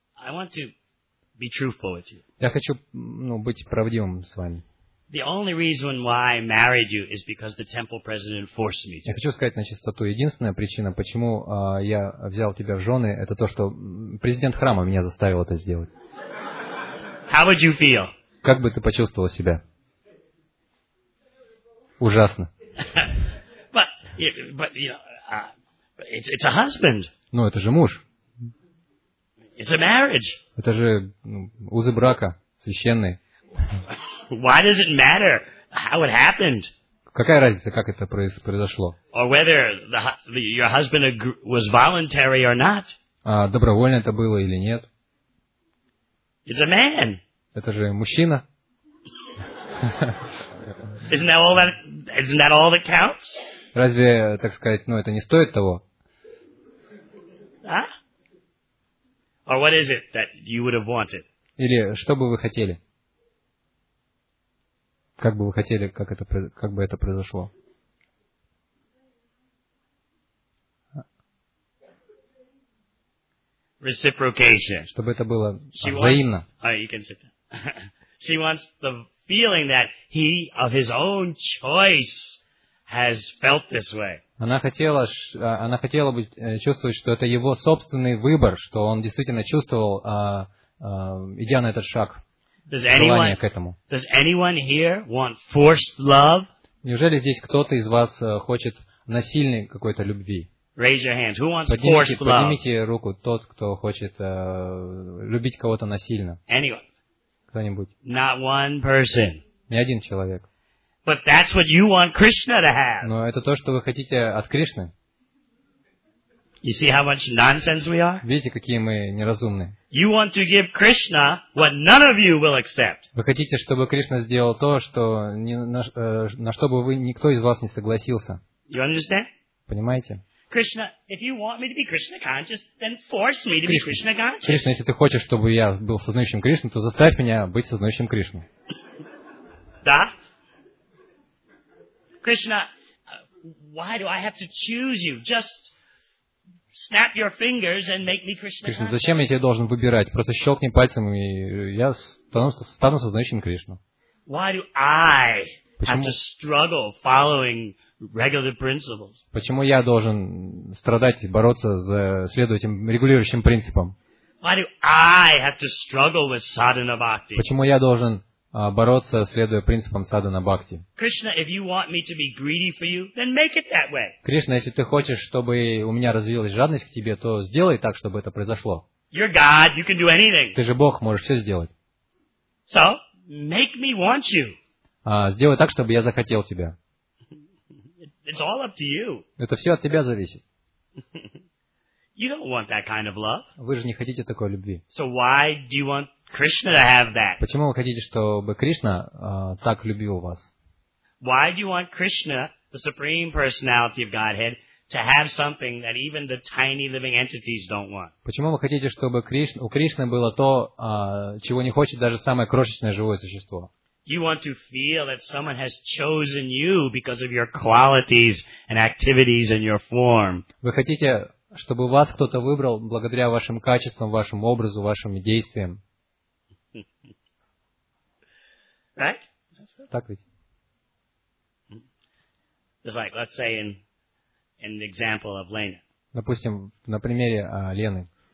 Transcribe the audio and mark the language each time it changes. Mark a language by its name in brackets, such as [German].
[English] I want to be truthful with you. [Russian] Я хочу, ну, быть правдивым с вами. [English] The only reason why I married you is because the temple president forced me to. [Russian] Я хочу сказать на чистоту, единственная причина, почему я взял тебя в жены, это то, что президент храма меня заставил это сделать. [English] How would you feel? [Russian] Как бы ты почувствовал себя? Ужасно. [English] But it's a husband. [Russian] Ну, это же муж. [English] It's a marriage. [Russian] Это же узы брака, священные. [English] Why does it matter how it happened? [Russian] Какая разница, как это произошло? [English] Or whether your husband was voluntary or not? [Russian] Добровольно это было или нет? [English] It's a man. [Russian] Это же мужчина. [English] Isn't that all that counts? [Russian] Разве, так сказать, ну это не стоит того? А? Huh? [English] Or what is it that you would have wanted? [Russian] Или что бы вы хотели? Как бы вы хотели, как бы это произошло? [English] Reciprocation. [Russian] Чтобы это было взаимно. [English] You can sit down. She wants the feeling that he of his own choice has felt this way. [Russian] Она хотела бы чувствовать, что это его собственный выбор, что он действительно чувствовал, идя на этот шаг. [English] Does anyone here want forced love? [Russian] Неужели здесь кто-то из вас хочет насильной какой-то любви? [English] Raise your hands. Who wants forced love? [Russian] Поднимите руку тот, кто хочет любить кого-то насильно. [English] Anyone? [Russian] Кто-нибудь? [English] Not one person. [Russian] Ни один человек. [English] But that's what you want Krishna to have. [Russian] Но это то, что вы хотите от Кришны. [English] You see how much nonsense we are? [Russian] Видите, какие мы неразумные. [English] You want to give Krishna what none of you will accept. [Russian] Вы хотите, чтобы Кришна сделал то, что на что бы вы никто из вас не согласился. [English] You understand? [Russian] Понимаете? [English] Krishna, if you want me to be Krishna conscious, then force me to be Krishna conscious. [Russian] Кришна, если ты хочешь, чтобы я был сознающим Кришну, то заставь меня быть сознающим Кришну. Да? [English] Krishna, why do I have to choose you? Just snap your fingers and make me Krishna. [Russian] Кришна, зачем я тебе должен выбирать? Просто щелкни пальцем, и я стану сознающим Кришну. [English] Why do I have to struggle following regular principles? [Russian] Почему я должен страдать и бороться за следующим регулирующим принципом? [English] Why do I have to struggle with sadhana bhakti? [Russian] Почему я должен бороться, следуя принципам садхана бхакти? [English] Krishna, if you want me to be greedy for you, then make it that way. [Russian] Кришна, если ты хочешь, чтобы у меня развилась жадность к тебе, то сделай так, чтобы это произошло. [English] You're God, you can do anything. [Russian] Ты же Бог, можешь все сделать. [English] So, make me want you. [Russian] Сделай так, чтобы я захотел тебя. [English] It's all up to you. [Russian] Это все от тебя зависит. [English] You don't want that kind of love. [Russian] Вы же не хотите такой любви. [English] So why do you want Krishna to have that? [Russian] Почему вы хотите, чтобы Кришна так любил вас? [English] Why do you want Krishna, the supreme personality of Godhead, to have something that even the tiny living entities don't want? [Russian] Почему вы хотите, чтобы у Кришны было то, чего не хочет даже самое крошечное живое существо? [English] You want to feel that someone has chosen you because of your qualities and activities and your form. [Russian] Вы хотите, чтобы вас кто-то выбрал благодаря вашим качествам, вашему образу, вашим действиям. [English] Right? [Russian] Так ведь. [English] Just like, let's say in the example of Lena. [Russian] Допустим, на примере Лены.